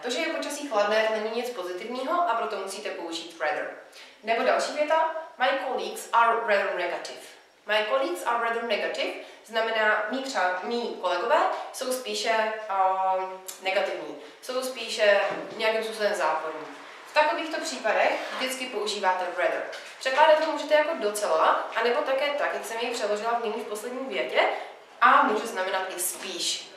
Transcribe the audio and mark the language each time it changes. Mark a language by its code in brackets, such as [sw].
[cs] To, že je počasí chladné, to není nic pozitivního a proto musíte použít rather. Nebo další věta. [en] My colleagues are rather negative. My colleagues are rather negative [cs] znamená mí kolegové jsou spíše negativní. Jsou spíše nějakým způsobem záporní. V takovýchto případech vždycky používáte rather. Překládat to můžete jako docela, anebo také tak, jak jsem ji přeložila v nyní v poslední větě, a může znamenat i spíš.